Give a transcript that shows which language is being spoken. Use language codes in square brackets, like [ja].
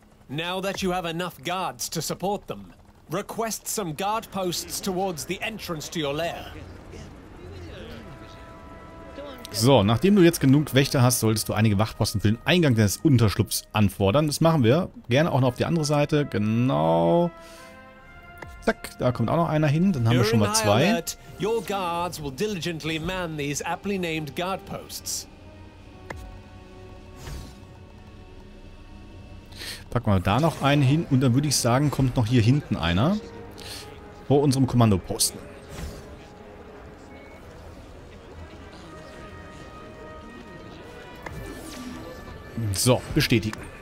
[en] Now that you have enough guards to support them. Request some guard posts towards the entrance to your lair. [de] So, nachdem du jetzt genug Wächter hast, solltest du einige Wachposten für den Eingang deines Unterschlupfs anfordern. Das machen wir. Gerne auch noch auf die andere Seite. Genau. Zack, da kommt auch noch einer hin. Dann haben wir schon mal zwei. [en] Your guards will diligently man these aptly named guard posts. [de] Packen wir da noch einen hin und dann würde ich sagen, kommt noch hier hinten einer vor unserem Kommandoposten. So, bestätigen.